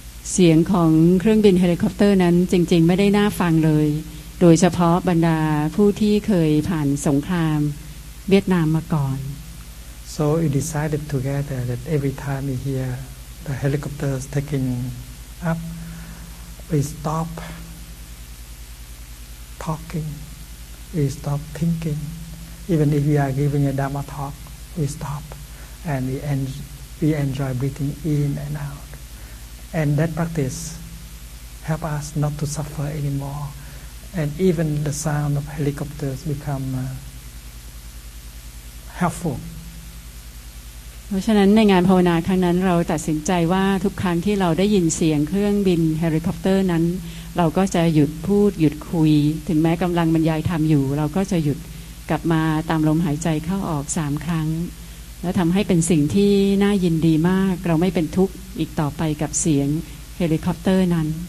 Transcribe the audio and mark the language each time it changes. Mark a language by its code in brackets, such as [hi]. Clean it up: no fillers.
[th] เสียงของเครื่องบินเฮลิคอปเตอร์นั้นจริงๆไม่ได้น่าฟังเลยโดยเฉพาะบรรดาผู้ที่เคยผ่านสงครามเวียดนามมาก่อน [en] So we decided together that every time we hear the helicopters taking up, we stop talking. We stop thinking. Even if we are giving a Dharma talk, we stop. And we enjoy breathing in and out. And that practice help us not to suffer anymore. And even the sound of helicopters become helpful. [th] เพราะฉะนั้นในงานภาวนาครั้งนั้นเราตัดสินใจว่าทุกครั้งที่เราได้ยินเสียงเครื่องบินเฮลิคอปเตอร์นั้นเราก็จะหยุดพูดหยุดคุยถึงแม้กำลังบรรยายธรรมอยู่เราก็จะหยุดกลับมาตามลมหายใจเข้าออก3ครั้งและทำให้เป็นสิ่งที่น่ายินดีมากเราไม่เป็นทุกข์อีกต่อไปกับเสียงเฮลิคอปเตอร์นั้น